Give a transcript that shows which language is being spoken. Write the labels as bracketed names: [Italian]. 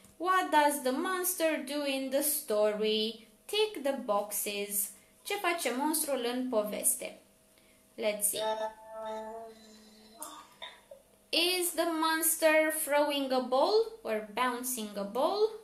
[English] What does the monster do in the story? Tick the boxes. [Romanian] Ce face monstrul în poveste? [English] Let's see. Is the monster throwing a ball or bouncing a ball?